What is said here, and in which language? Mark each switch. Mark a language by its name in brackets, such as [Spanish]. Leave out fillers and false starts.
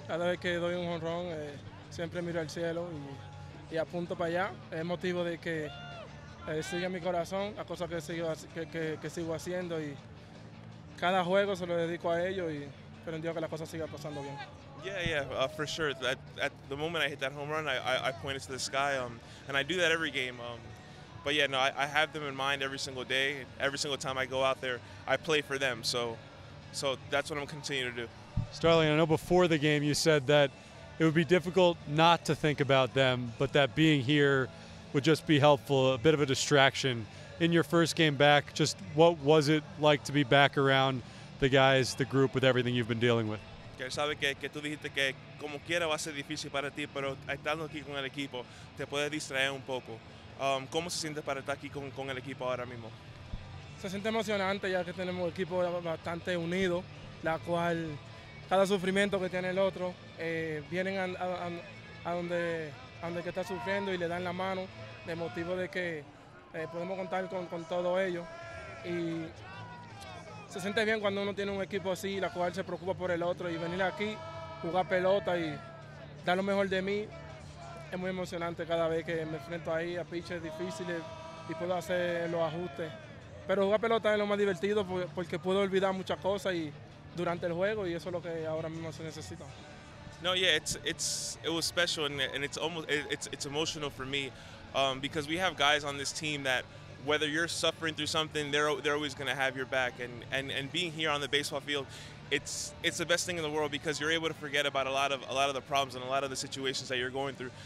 [Spanish] Cada vez que doy un home run, siempre miro al cielo y apunto para allá. Es motivo de que sigue mi corazón, las cosas que sigo haciendo y cada juego se lo dedico a ellos y espero en Dios que las cosas sigan pasando bien. [English] Yeah, for sure. At the moment I hit that home run, I pointed to the sky, and I do that every game. But yeah, no, I have them in mind every single day. Every single time I go out there, I play for them. So that's what I'm continuing to do. Starling, I know before the game you said that it would be difficult not to think about them, but that being here would just be helpful, a bit of a distraction. In your first game back, just what was it like to be back around the guys, the group, with everything you've been dealing with? [Spanish] Que él sabe que tú dijiste que como quiera va a ser difícil para ti, pero estando aquí con el equipo te puede distraer un poco. ¿Cómo se siente para estar aquí con el equipo ahora mismo? Se siente emocionante ya que tenemos un equipo bastante unido, la cual cada sufrimiento que tiene el otro vienen a donde que está sufriendo y le dan la mano, de motivo de que podemos contar con todo ello. Y se siente bien cuando uno tiene un equipo así, la cual se preocupa por el otro, y venir aquí, jugar pelota y dar lo mejor de mí, es muy emocionante cada vez que me enfrento ahí a pitches difíciles y puedo hacer los ajustes. Pero jugar pelota es lo más divertido porque puedo olvidar muchas cosas y durante el juego, y eso es lo que ahora mismo se necesita. [English] No, yeah, it was special and it's emotional for me because we have guys on this team that, whether you're suffering through something, they're always going to have your back. And being here on the baseball field, it's the best thing in the world because you're able to forget about a lot of the problems and a lot of the situations that you're going through.